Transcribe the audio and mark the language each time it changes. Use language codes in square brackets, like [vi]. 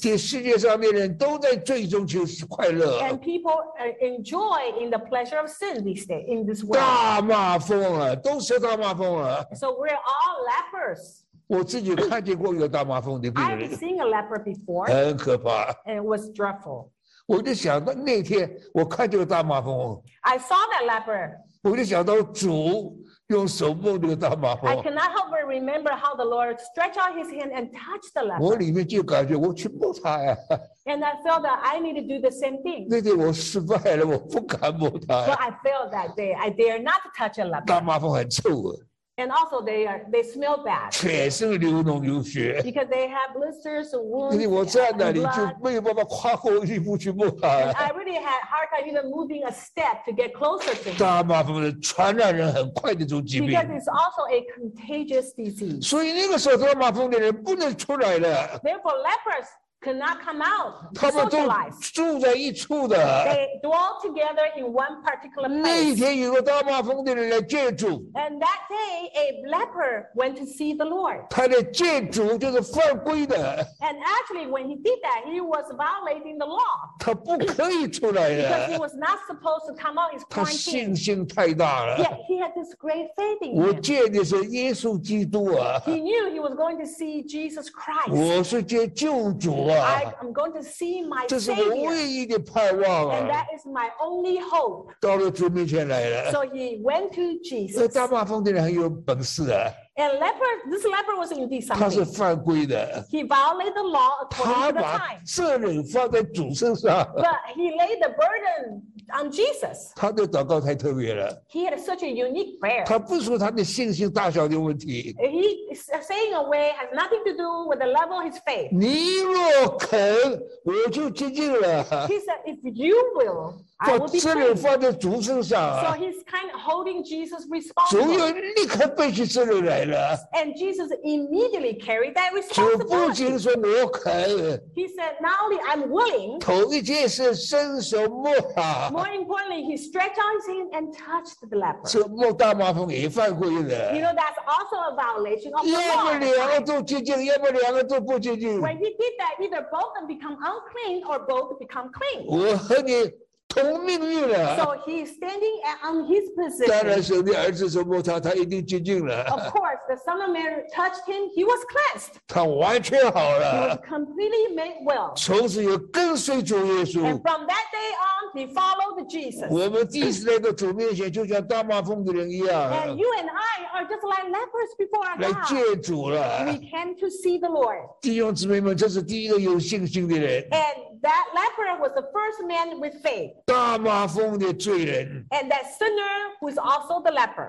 [zh] 这世界上的人都在罪中求快乐。 [en] And people enjoy in the pleasure of sin these days, in this world. [zh] 大麻风啊，都是大麻风啊。 [en] So we're all lepers. [zh] 我自己看见过一个大麻风的病人。 [en] I've seen a leper before. [zh] 很可怕。 [en] And it was dreadful. [zh] 我就想到那天我看见个大麻风。 [en] I saw that leper. [zh] 我就想到主用手摸这个大麻风。 [en] I cannot help but remember how the Lord stretched out his hand and touched the leper. [zh] 我里面就感觉我去摸他呀。 [en] And I felt that I need to do the same thing. [zh] 那天我失败了，我不敢摸他。 [en] So I failed that day. I dare not touch a leper. [zh] 大麻风很臭啊。 [en] And also they smell bad. [zh] 全身流脓流血。 [en] Because they have blisters and wounds. [zh] 我站那里就没有办法跨过一步去摸他。 [en] I really had hard time even moving a step to get closer to him. [zh] 大麻风是传染人很快的一种疾病。 [en] Because it's also a contagious disease. [zh] 所以那个时候大麻风的人不能出来了。 [en] Therefore lepers. Could not come out. [zh] 他们都住在一处的。 [en] They dwell together in one particular place. [zh] 那一天有个大麻风的人来见主。 [en] And that day, a leper went to see the Lord. [zh] 他的见主就是犯规的。 [en] And actually, when he did that, he was violating the law. [zh] 他不可以出来的。 [en] Because he was not supposed to come out. He's quarantined. [zh] 他信心太大了。 [en] Yet he had this great faith in him. [zh] 我见的是耶稣基督啊。 [en] He knew he was going to see Jesus Christ. [zh] 我是见救主。 [en] I'm going to see my Savior. [zh] 这是我唯一的盼望啊。 [en] And that is my only hope. [zh] 到了主面前来了。 [en] So he went to Jesus. [zh] 大麻风的人很有本事啊。 [en] And leper, this leper was indeed something. [zh] 他是犯规的。 [en] He violated the law according to the time. [zh] 他把责任放在主身上。 [en] But he laid the burden on Jesus. [zh] 他的祷告太特别了。 [en] He had such a unique prayer. [zh] 他不说他的信心大小的问题。 [en] He saying away has nothing to do with the level of his faith. [zh] 你若肯，我就接近了。 [en] He said, if you will, [zh] 把资料放在主身上、 [en] 啊、So he's kind of holding Jesus responsible. 主 [zh] 又立刻背起资料来了。 [en] And Jesus immediately carried that responsibility. [zh] 主不仅说我肯。 [en] He said, not only I'm willing. [zh] 头一件事伸手摸啊。 [en] More importantly, he stretched out his hand and touched the leper. [zh] 这摸大麻风也犯规了。 [en] You know, that's also a violation of the law. [zh] 要么两个都洁净，要么两个都不洁净。 [en] When he did that, either both of them become unclean or both become clean. [zh] 我和你。同命运了。 [en] So he's standing on his position. [zh] 当然，神的儿子手摸他，他一定洁净了。 [en] Of course, the Son of Man touched him; he was cleansed. [zh] 他完全好了。 [en] He was completely made well. [zh] 从此又跟随主耶稣。 [en] And from that day on, he followed Jesus. [zh] 我们第一次来到主面前，就像大麻风的人一样。 [en] And you and I are just like lepers before our God. [zh] 来见主了。 [en] We came to see the Lord. [zh] 弟兄姊妹们，这是第一个有信心的人。 [en] And that leper was the first man with faith. [zh] 大麻风的罪人 [en] and that sinner who is also the leper.